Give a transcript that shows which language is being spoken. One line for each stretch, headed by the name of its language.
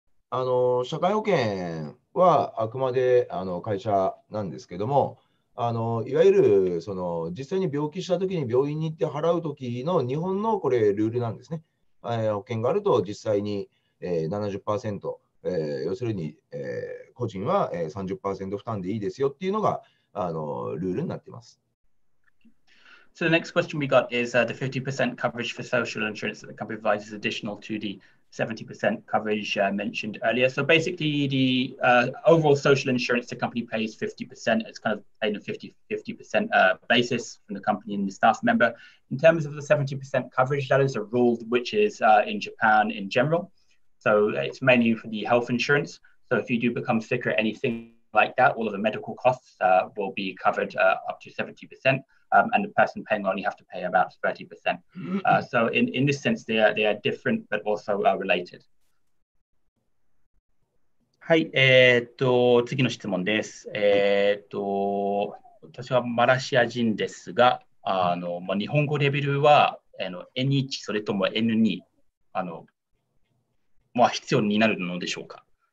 Japanese: あの社会保険はあくまであの会社なんですけども、あのいわゆるその実際に病気したときに病院に行って払うときの日本のこれルールなんですね。保険があると実際に、70%、要するに、個人は、30% 負担でいいですよっていうのがあのルールになっています。
English: So the next question we got is the 50% coverage for social insurance that the company provides is additional to the 70% coverage mentioned earlier. So basically, the overall social insurance the company pays 50%. It's kind of paying a 50% basis from the company and the staff member. In terms of the 70% coverage, that is a rule which is in Japan in general. So it's mainly for the health insurance. So if you do become sick or anything like that, all of the medical costs will be covered up to 70%. And the person paying only have to pay about 30%. So in this sense, they are different, but also related.
Japanese: はい、次の質問です。私はマラシア人ですが、あの、まあ、日本語レベルはあの N1 それとも N2 あの、まあ、必要になるのでしょうか？